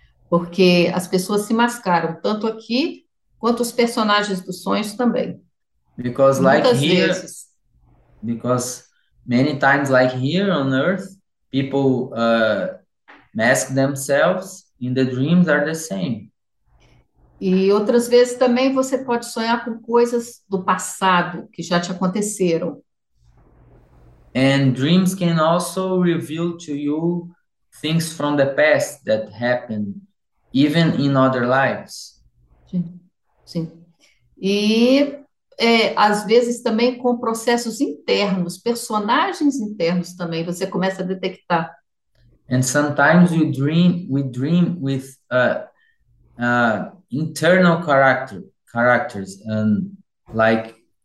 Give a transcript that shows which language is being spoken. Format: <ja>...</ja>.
<pt>Porque as pessoas se mascaram, tanto aqui quanto os personagens dos sonhos também.</pt> <en>Because like</en> <pt>Muitas</pt> <en>here,</en> <pt>vezes.</pt> <en>because many times like here on Earth, people mask themselves in the dreams are the same.</en> <pt>E outras vezes também você pode sonhar com coisas do passado que já te aconteceram.</pt> <en>And dreams can also reveal to you things from the past that happened, even in other lives.</en> <pt>Sim. E às vezes também com processos internos, personagens internos também, você começa a detectar.</pt> <en>And sometimes we dream with internal characters and like</en>